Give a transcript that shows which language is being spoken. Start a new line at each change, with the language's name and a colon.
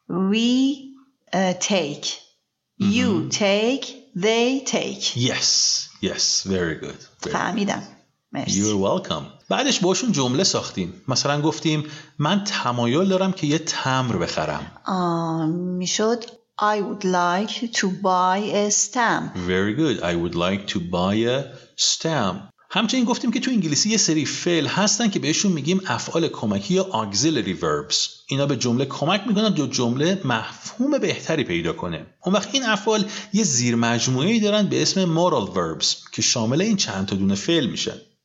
English: We take. You take. They take. Yes. Very good.
Persian: فهمیدم. مرسی.
English: You're welcome.
Persian: بعدش باشون جمله ساختیم. مثلا گفتیم من تمایل دارم که یه تمر بخرم. میشد
English: I would like to buy a stamp. Very good. I would like to buy a stamp.
Persian: همچنین گفتیم که تو انگلیسی یه سری فعل هستن که بهشون میگیم افعال کمکی یا auxiliary verbs. اینا به جمله کمک میکنن دو جمله مفهوم بهتری پیدا کنه. اون وقت این افعال یه زیرمجموعه‌ای دارن به اسم moral verbs که شامل این چند تا دونه فعل میشن.